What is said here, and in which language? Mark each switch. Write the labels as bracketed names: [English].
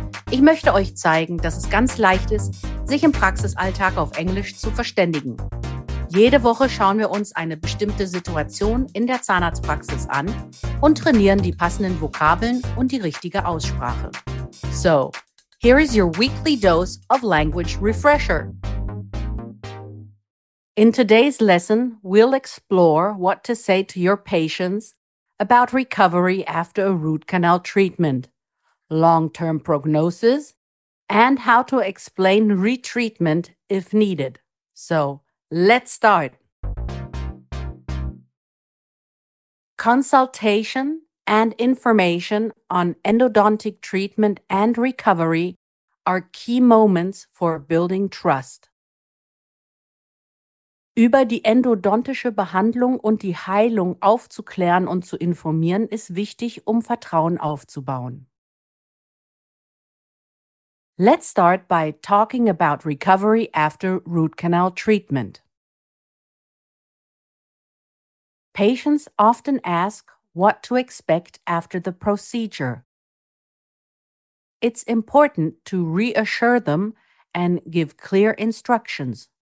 [German] Ich möchte euch zeigen, dass es ganz leicht ist, sich im Praxisalltag auf Englisch zu verständigen. Jede Woche schauen wir uns eine bestimmte Situation in der Zahnarztpraxis an und trainieren die passenden Vokabeln und die richtige Aussprache. [English] So, here is your weekly dose of language refresher. In today's lesson, we'll explore what to say to your patients about recovery after a root canal treatment, long-term prognosis, and how to explain retreatment if needed. So, let's start. Consultation and information on endodontic treatment and recovery are key moments for building trust. [German] Über die endodontische Behandlung und die Heilung aufzuklären und zu informieren, ist wichtig, um Vertrauen aufzubauen. [English] Let's start by talking about recovery after root canal treatment. Patients often ask what to expect after the procedure. It's important to reassure them and give clear instructions.